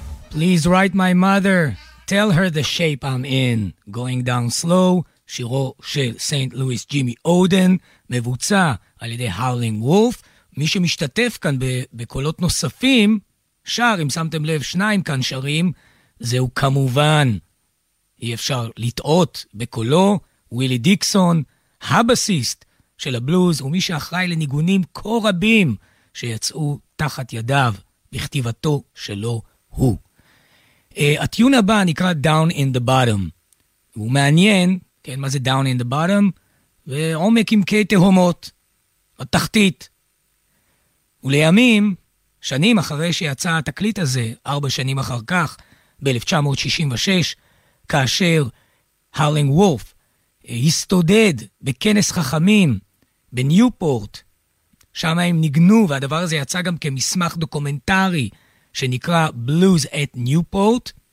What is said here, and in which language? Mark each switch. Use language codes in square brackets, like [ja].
[en] Please write my mother, tell her the shape I'm in. [he] Going down slow, שירו של סיינט לואיס ג'ימי אודן, מבוצע על ידי הארלינג וולף. מי שמשתתף כאן בקולות נוספים, שר, אם שמתם לב, שניים כאן שרים, זהו כמובן, אי אפשר לטעות בקולו, ווילי דיקסון, הבסיסט של הבלוז, ומי שאחראי לניגונים כה רבים שיצאו תחת ידיו, בכתיבתו שלו הוא. הטיון הבא נקרא Down in the Bottom. הוא מעניין, כן, מה זה Down in the Bottom? ועומק עם קי תהומות, התחתית. ולימים, שנים אחרי שיצא התקליט הזה, 4 שנים אחר כך, ב-1966, כאשר הארלינג וולף הסתודד בכנס חכמים בניופורט, שם הם ניגנו, והדבר הזה יצא גם כמסמך דוקומנטרי שנקרא Blues at Newport.